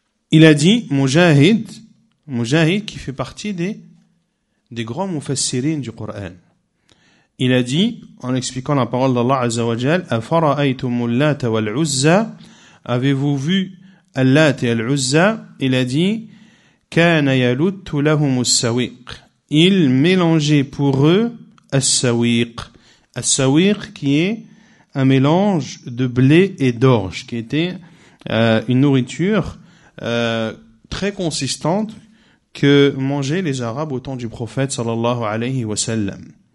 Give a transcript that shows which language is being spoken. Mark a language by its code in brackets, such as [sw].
[fr] Il a dit, Mujahid, qui fait partie des grands mufassirines du Coran. Il a dit, en expliquant la parole d'Allah Azza wa Jal, [ar] أَفَرَأَيْتُمُ اللَّاتَ وَالْعُزَّى. [fr] Avez-vous vu اللَّاتَ et الْعُزَّى? Il a dit, [ar] كَانَ يَلُتُّ لَهُمُ السَّوِيقِ. [fr] Il mélangeait pour eux السَّوِيقِ. Al-sawiq, qui est un mélange de blé et d'orge, qui était une nourriture très consistante que mangeaient les Arabes au temps du prophète, sallallahu alayhi wa sallam.